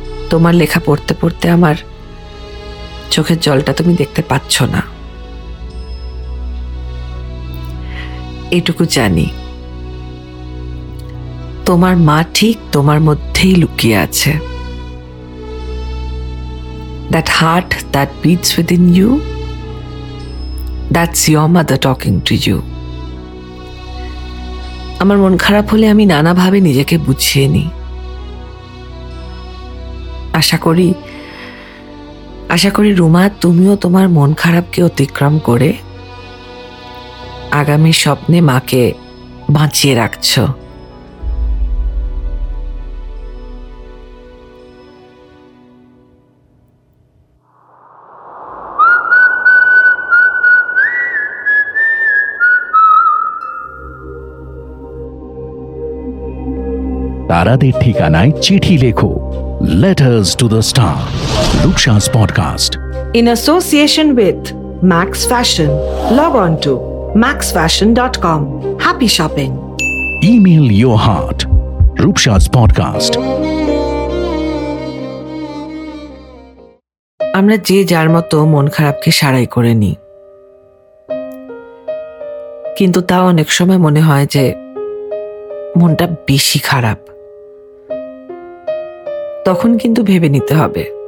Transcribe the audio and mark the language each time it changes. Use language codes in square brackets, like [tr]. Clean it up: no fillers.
[bn] তোমার লেখা পড়তে পড়তে আমার চোখের জলটা তুমি দেখতে পাচ্ছ না, এটুকু জানি তোমার মা ঠিক তোমার মধ্যেই লুকিয়ে আছে। [en] That heart that beats within you, that's your mother talking to you. [bn] আমার মন খারাপ হলে আমি নানাভাবে নিজেকে বুঝিয়ে নিই। আশা করি রুমা, তুমিও তোমার মন খারাপকে অতিক্রম করে আগামী স্বপ্নে মাকে বাঁচিয়ে রাখছ। তারাদের ঠিকানায় চিঠি লেখো, Letters to the Star, Rukshas Podcast. [en] In association with Max Fashion, log on to maxfashion.com. Happy shopping. Email your heart, Rukshas Podcast. [bn] আমরা যে যার মতো মন খারাপকে সারাই করে নি, কিন্তু তাও অনেক সময় মনে হয় যে মনটা বেশি খারাপ। তখন কিন্তু ভেবে নিতে হবে,